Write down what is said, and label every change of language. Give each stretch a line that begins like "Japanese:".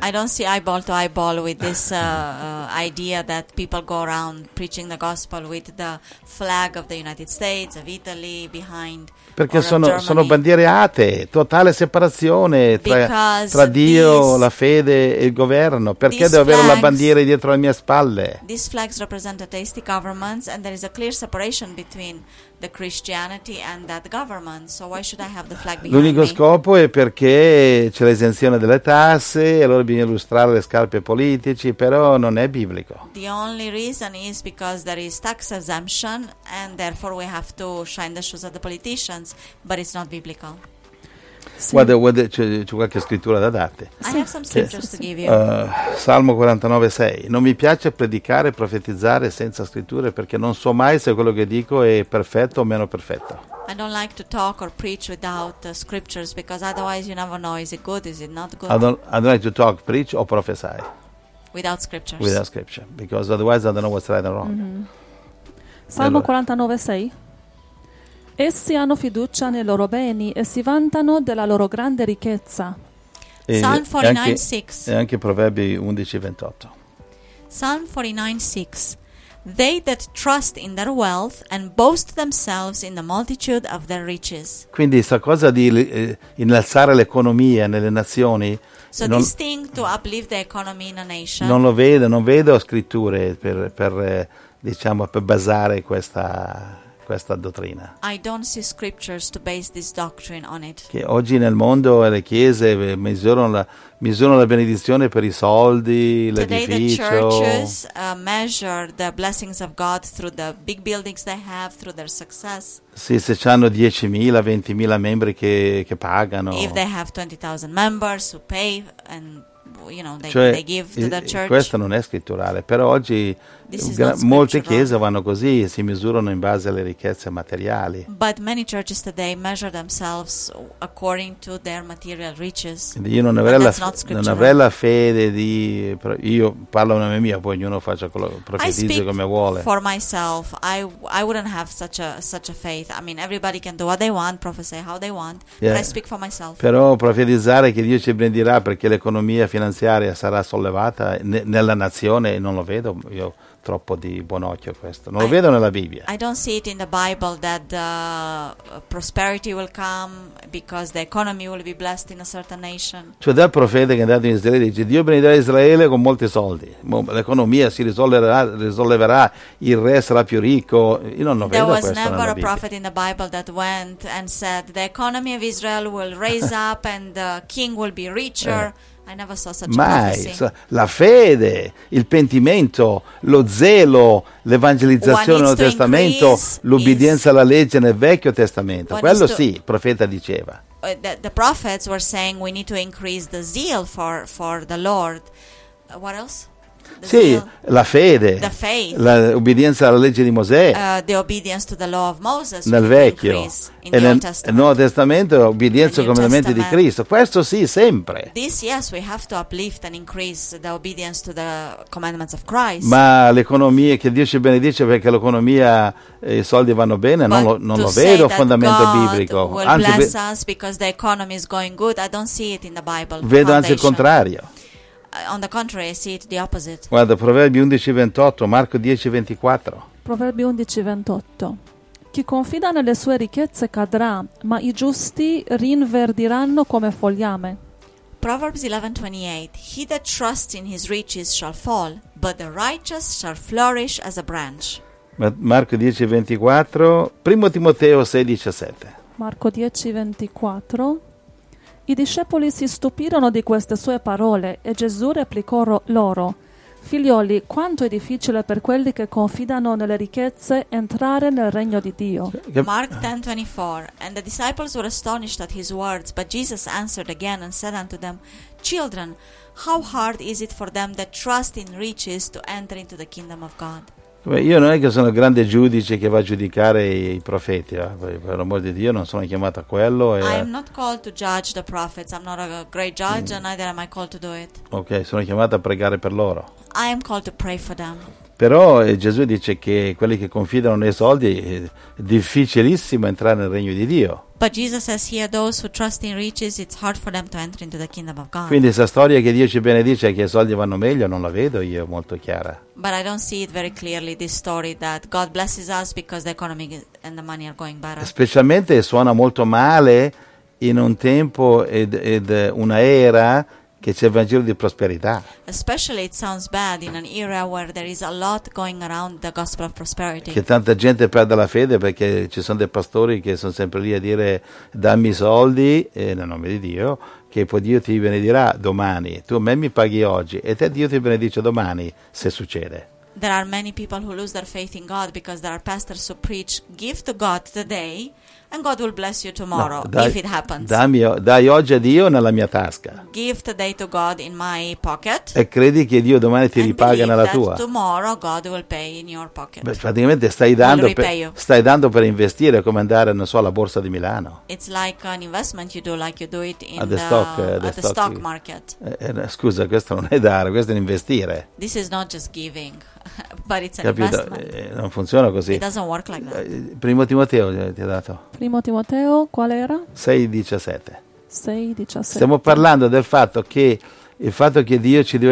English: I don't see eyeball to eyeball with this idea that people go around preaching the gospel with the flag of the United States, of Italy behind.
Italian: Perché sono bandiere atee, totale separazione tra Dio,
English: these,
Italian: la fede e il governo. Perché devo
English: flags,
Italian: avere la bandiera dietro le mie spalle?
English: These flags represent atheistic governments and there is a clear separation between the Christianity and that government. So why should I have the flag behind
Italian: L'unico
English: me?
Italian: Scopo è perché c'è l'esenzione delle tasse e allora bisogna illustrare le scarpe politici, però non è biblico.
English: The only reason is because there is tax exemption and therefore we have to shine the shoes of the politicians. But it's not biblical.
Italian: Sì. Guarda, c'è qualche scrittura da darti.
English: I have some scriptures to give you.
Italian: Salmo 49:6. Non mi piace predicare e profetizzare senza scritture perché non so mai se quello che dico è perfetto o meno perfetto.
English: I don't like to talk or preach without scriptures because otherwise you never know, is it good, is it not good. I don't like to talk, preach or prophesy without scriptures. Without scripture, because otherwise I don't know what's right and wrong.
Italian: Mm-hmm. Salmo 49:6. Essi hanno fiducia nei loro beni e si vantano della loro grande ricchezza.
English: Psalm 49:6.
Italian: E anche Proverbi 11:28.
English: Psalm 49:6. they that trust in their wealth and boast themselves in the multitude of their riches.
Italian: Quindi questa cosa di innalzare l'economia nelle nazioni.
English: So non, this thing to uplift the economy in a nation.
Italian: Non lo vedo, non vedo scritture per basare questa dottrina.
English: I don't see scriptures to base this doctrine on it.
Italian: Che oggi nel mondo le chiese misurano la benedizione per i soldi, l'edificio.
English: Today the churches measure the blessings of God through the big buildings they have, through their success.
Italian: Sì, se hanno 10.000, 20.000 membri che pagano.
English: If they have 20,000 members who pay and you know they give to the church.
Italian: Questo non è scritturale, però oggi molte chiese vanno così, si misurano in base alle ricchezze materiali.
English: But many churches today measure themselves according to their material riches.
Italian: Quindi io non avrei la fede di, io parlo a nome mio, poi ognuno faccia quello, profetizza come vuole.
English: For myself, I wouldn't have such a faith. I mean, everybody can do what they want, prophesy how they want. Yeah. But I speak for myself.
Italian: Però profetizzare che Dio ci benedirà perché l'economia finanziaria sarà sollevata nella nazione, non lo vedo io troppo di buon occhio questo. Non lo vedo nella Bibbia.
English: I don't see it in the Bible that the prosperity will come because the economy will be blessed in a certain nation.
Italian: Cioè dal profeta che è andato in Israele dice Dio benedirà Israele con molti soldi. L'economia si risolverà, il re sarà più ricco. Io non lo vedo questo nella Bibbia.
English: There was never a prophet in the Bible that went and said the economy of Israel will raise up and the king will be richer. I never saw such
Italian: mai.
English: A prophecy.
Italian: La fede, il pentimento, lo zelo, l'evangelizzazione nel Nuovo Testamento, l'obbedienza alla legge nel Vecchio Testamento. Quello sì, il profeta diceva.
English: The prophets were saying we need to increase the zeal for the Lord. What else?
Italian: Sì, la fede,
English: the faith,
Italian: l'obbedienza alla legge di Mosè,
English: the obedience to the law of Moses,
Italian: nel Vecchio, e nel Nuovo Testamento, obbedienza ai comandamenti di Cristo. Questo sì, sempre.
English: This, yes, we have to uplift and increase the obedience to the commandments of Christ.
Italian: Ma l'economia, che Dio ci benedice perché l'economia, i soldi vanno bene,
English: but
Italian: non lo vedo fondamento biblico. Anzi,
English: bless us because the economy is going good. I don't see it in the Bible.
Italian: Vedo
English: foundation.
Italian: Anzi il contrario.
English: On the contrary, I see it the opposite.
Italian: Guarda, Proverbi 11:28, Marco 10:24. Proverbi 11:28. Chi confida nelle sue ricchezze cadrà, ma i giusti rinverdiranno come fogliame.
English: Proverbs 11:28. He that trusts in his riches shall fall, but the righteous shall flourish as a branch.
Italian: Marco 10:24. Primo Timoteo 6:17. Marco 10:24. I discepoli si stupirono di queste sue parole e Gesù replicò loro: figlioli, quanto è difficile per quelli che confidano nelle ricchezze entrare nel regno di Dio.
English: Mark 10:24. And the disciples were astonished at his words, but Jesus answered again and said unto them, children, how hard is it for them that trust in riches to enter into the kingdom of God?
Italian: Io non è che sono il grande giudice che va a giudicare i profeti, per l'amor di Dio non sono chiamato a quello.
English: I am not called to judge the prophets. I'm not a great judge and neither am I called to do it.
Italian: Ok, sono chiamato a pregare per loro.
English: I am called to pray for them.
Italian: Però Gesù dice che quelli che confidano nei soldi è difficilissimo entrare nel regno di Dio.
English: But Jesus says here those who trust in riches it's hard for them to enter into the kingdom of God.
Italian: Quindi questa storia che Dio ci benedice e che i soldi vanno meglio non la vedo io molto chiara.
English: But I don't see it very clearly this story that God blesses us because the economy and the money are going better.
Italian: Specialmente suona molto male in un tempo ed una era che c'è il Vangelo di prosperità.
English: Especially it sounds bad in an era where there is a lot going around the gospel of prosperity.
Italian: Che tanta gente perde la fede perché ci sono dei pastori che sono sempre lì a dire dammi i soldi nel nome di Dio che poi Dio ti benedirà domani. Tu a me mi paghi oggi e te Dio ti benedice domani se succede.
English: There are many people who lose their faith in God because there are pastors who preach give to God today and God will bless you tomorrow,
Italian: no, dai,
English: if it happens.
Italian: Dai oggi a Dio nella mia tasca.
English: Give today to God in my pocket.
Italian: E credi che Dio domani ti ripaga nella tua.
English: Tomorrow God will pay in your pocket.
Italian: Beh, praticamente stai dando per investire, come andare, non so, alla borsa di Milano.
English: It's like an investment you do, like you do it in the stock market.
Italian: Scusa, questo non è dare, questo è investire.
English: This is not just giving. But it's an investment.
Italian: Non funziona così.
English: It doesn't work like that.
Italian: Primo Timoteo ti ha dato. Primo Timoteo, qual era? 6:17. 6:17. Stiamo parlando del fatto che Dio